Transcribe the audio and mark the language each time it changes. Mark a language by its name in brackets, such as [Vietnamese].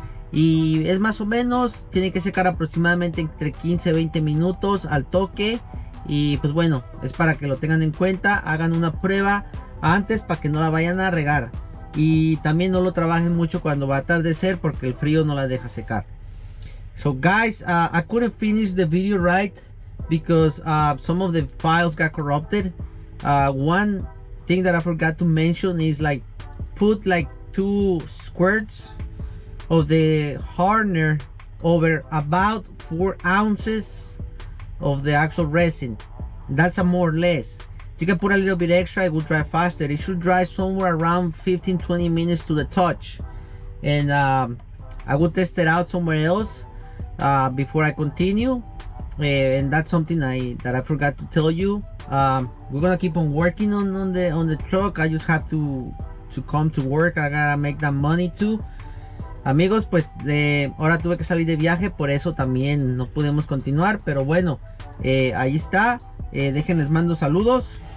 [Spanish] Y es más o menos, tiene que secar aproximadamente entre 15 y 20 minutos al toque. Y pues bueno, es para que lo tengan en cuenta. Hagan una prueba antes para que no la vayan a regar. Y también no lo trabajen mucho cuando va a atardecer porque el frío no la deja secar. [English] So guys, I couldn't finish the video right because some of the files got corrupted. One thing that I forgot to mention is like put like 2 squirts of the hardener over about 4 ounces of the actual resin. That's a more or less. You can put a little bit extra, it will dry faster. It should dry somewhere around 15-20 minutes to the touch. And I will test it out somewhere else before I continue. And that's something that I forgot to tell you. We're gonna keep on working on the truck. I just have to come to work. I gotta make that money too. [Spanish] Amigos, pues ahora tuve que salir de viaje, por eso también no pudimos continuar, pero bueno, ahí está, déjenles mando saludos.